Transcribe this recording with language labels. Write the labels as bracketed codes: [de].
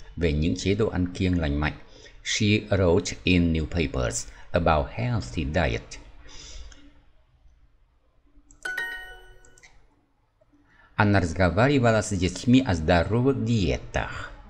[vi] về những chế độ ăn kiêng lành mạnh. [en] She wrote in newspapers about healthy diet. [ru] Она разговаривала с детьми о здоровых диетах.